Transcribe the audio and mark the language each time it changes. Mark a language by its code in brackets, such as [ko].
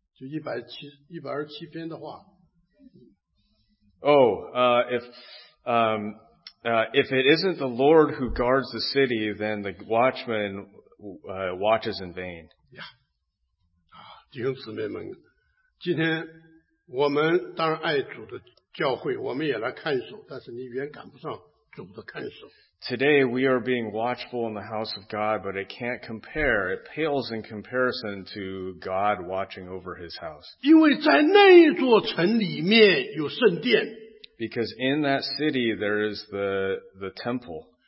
[zh] 你看管的人枉然警醒。就127篇的话。 [en] Oh, if it isn't the Lord who guards the city, then the watchman watches in vain. Yeah. [zh] 弟兄姊妹们，今天我们当然爱主的。教会我们也来看守，但是你远赶不上主的看守。 [en] Today we are being watchful in the house of God, but it can't compare. It pales in comparison to God watching over His house. [zh] 因为在那座城里面有圣殿。 [en] Because in that city there is the temple.